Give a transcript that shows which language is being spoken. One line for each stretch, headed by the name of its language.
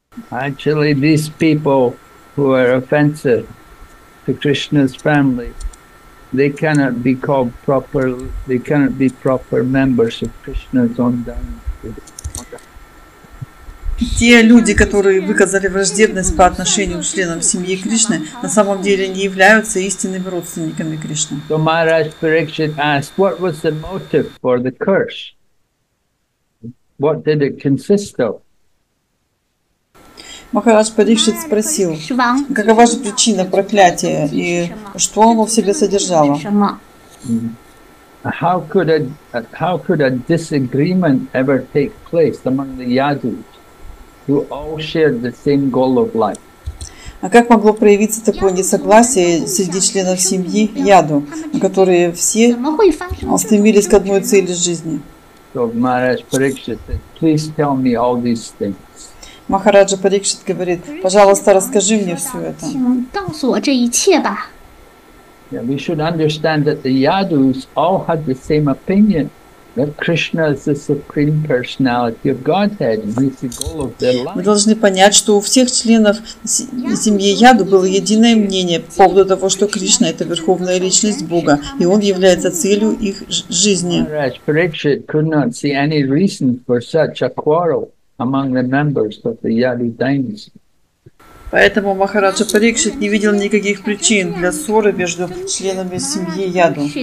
English: Actually, these people who are offensive to Krishna's family, they cannot be called proper, they cannot be proper members of Krishna's own dynasty.
Russian: Те люди, которые выказали враждебность по отношению к членам семьи Кришны, на самом деле не являются истинными родственниками Кришны.
English: So Maharaj Parikshit asked, what was the motive for the curse? What did it consist of?
Russian: Махарадж Парикшит спросил, какова же причина проклятия и что оно в себе содержало?
English: How could a disagreement ever take place among the Yadus? Who all shared the same goal of life.
Russian: А как могло проявиться такое несогласие среди членов семьи Яду, которые все стремились к одной цели жизни?
English: So Maharaj Parikshit said, please tell me all these things.
Russian: Махараджа Парикшит говорит, пожалуйста, расскажи мне все это.
English: Yeah, we should understand that the Yadus all had the same opinion. That Krishna is the supreme personality of Godhead, and is the goal of their life.
Russian: Мы должны понять, что у всех членов семьи Яду было единое мнение по поводу того, что Кришна это верховная личность Бога, и он является целью их жизни.
English: Maharaj Parikshit could not see any reason for such a quarrel among the members of the Yadu dynasty.
Russian: Поэтому Махараджа Парикшит не видел никаких причин для ссоры между членами семьи Яду.